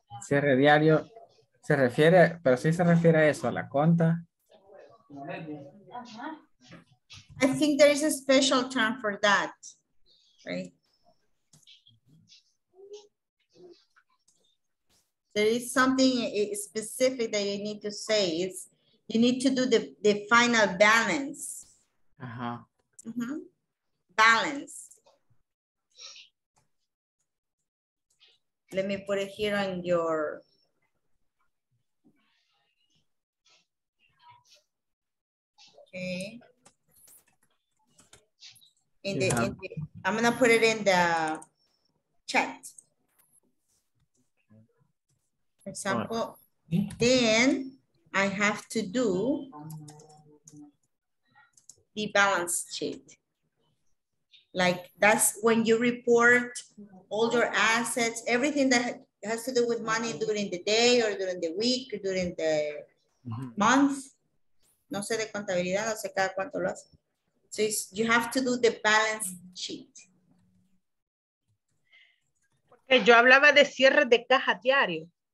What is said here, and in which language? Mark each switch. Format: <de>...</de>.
<es>Cierre diario se refiere, pero sí se refiere a eso, a la conta.</es> <en>I think there is a special term for that. Right. There is something specific that you need to say. It's you need to do the final balance. Uh-huh. Mm-hmm. Balance. Let me put it here on your... Okay. I'm gonna put it in the chat. For example, then, I have to do the balance sheet. Like that's when you report all your assets, everything that has to do with money during the day or during the week or during the month.</en> <es>No sé de contabilidad, no sé cada cuánto lo hace.</es> <en>So it's, you have to do the balance sheet.</en> <es>Porque yo hablaba de cierre de caja diario.</es>